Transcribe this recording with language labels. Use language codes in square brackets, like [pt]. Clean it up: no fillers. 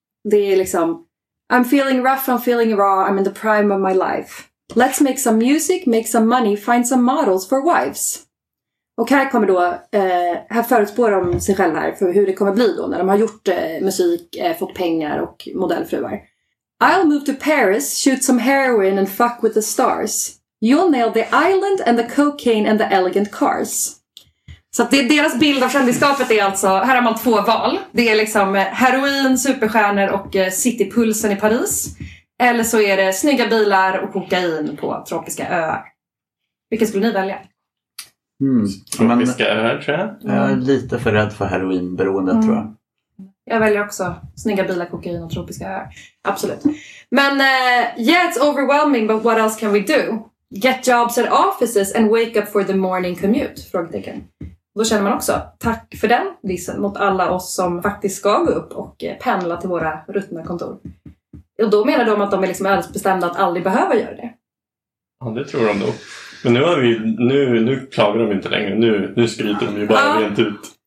[sv] Det är liksom, [en] I'm feeling rough, I'm feeling raw, I'm in the prime of my life. Let's make some music, make some money, find some models for wives. [sv] Och här kommer då, här förutspår de sig själva här för hur det kommer bli då när de har gjort musik, fått pengar och modellfruar. [en] I'll move to Paris, shoot some heroin and fuck with the stars. You'll nail the island and the cocaine and the elegant cars. [sv] Så att det, deras bild av kändiskapet är alltså, här har man två val. Det är liksom heroin, superstjärnor och citypulsen i Paris. Eller så är det snygga bilar och kokain på tropiska öar. Vilket skulle ni välja? Mm. Tropiska öar, tror jag. Mm. Jag är lite för rädd för heroinberoende, tror jag. Jag väljer också snygga bilar, kokain och tropiska öar. Absolut. [en] Men yeah, it's overwhelming, but what else can we do? Get jobs at offices and wake up for the morning commute? [sv] Frågetecken. Då känner man också, tack för den dissen mot alla oss som faktiskt ska gå upp och pendla till våra rutna kontor. Och då menar de att de är liksom ödesbestämda att aldrig behöva göra det. Ja, det tror de nog. Men nu klagar de inte längre. Nu skryter de ju bara rent ut.